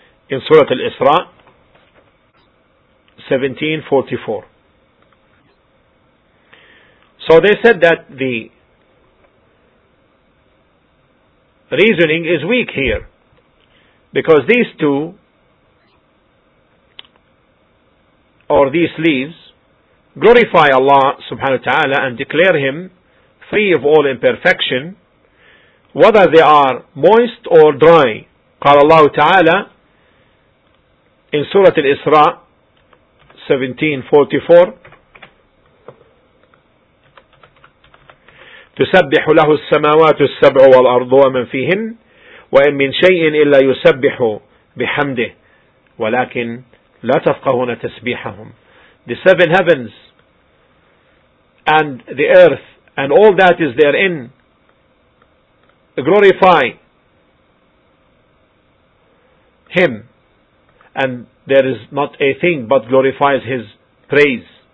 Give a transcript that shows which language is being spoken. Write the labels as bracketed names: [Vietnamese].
[English] In Surah Al-Isra, 17:44. So they said that the reasoning is weak here, because these two, or these leaves, glorify Allah subhanahu wa ta'ala and declare Him free of all imperfection, whether they are moist or dry. [Arabic] قال الله تعالى [English] in Surah Al-Isra 17:44, [Arabic] تسبح له السماوات السبع والأرض ومن فيهن وإن من شيء إلا يسبح بحمده ولكن لا تفقهون تسبيحهم. [English] The seven heavens and the earth and all that is therein glorify Him, and there is not a thing but glorifies His praise.